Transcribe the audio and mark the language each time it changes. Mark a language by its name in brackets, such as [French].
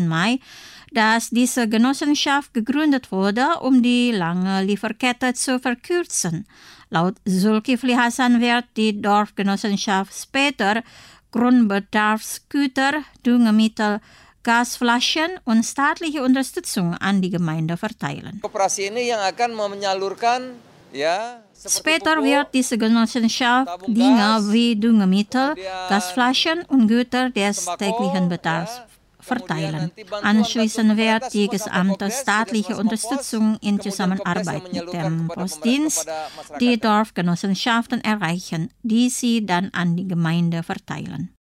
[German] Mai, dass diese Genossenschaft gegründet wurde, um die lange Lieferkette zu verkürzen. Laut Zulkifli Hasan wird die Dorfgenossenschaft später Grundbedarfsgüter, Düngemittel, Gasflaschen und staatliche Unterstützung an die Gemeinde verteilen. [Malay] Operasi ini yang akan menyalurkan, ja. [German] Später wird diese Genossenschaft Dinge wie Düngemittel, Gasflaschen und Güter des täglichen Bedarfs verteilen. Anschließend wird die gesamte staatliche Unterstützung in Zusammenarbeit mit dem Postdienst die Dorfgenossenschaften erreichen, die sie dann an die Gemeinde verteilen.